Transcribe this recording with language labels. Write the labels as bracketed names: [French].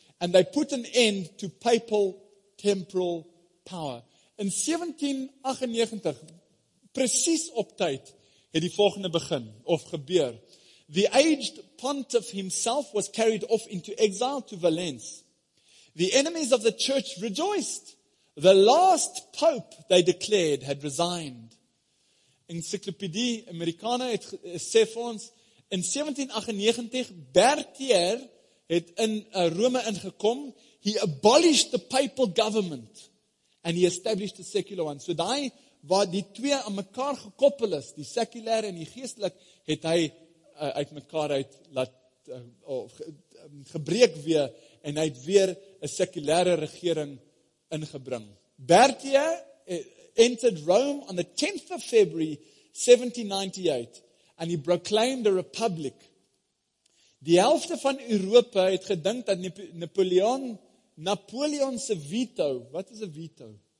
[English] And they put an end to papal temporal power. [Afrikaans] In 1798, precies op tyd, het die volgende begin, of gebeur. [English] The aged pontiff himself was carried off into exile to Valence. The enemies of the church rejoiced. The last pope, they declared, had resigned. [Afrikaans] Encyclopedie Americana het sê vir ons, in 1798, Berthier het in Rome ingekom, [English] he abolished the papal government, and he established a secular one. [Afrikaans] So die, waar die twee aan mekaar gekoppel is, die seculair en die geestelik, het hy uit mekaar uit laat gebreek weer, en hy het weer een seculaire regering ingebring. [English] Berthier entered Rome on the 10th of February 1798, and he proclaimed a republic. [Afrikaans] Die helfte van Europa het gedink dat Napoleon se veto, wat is 'n veto?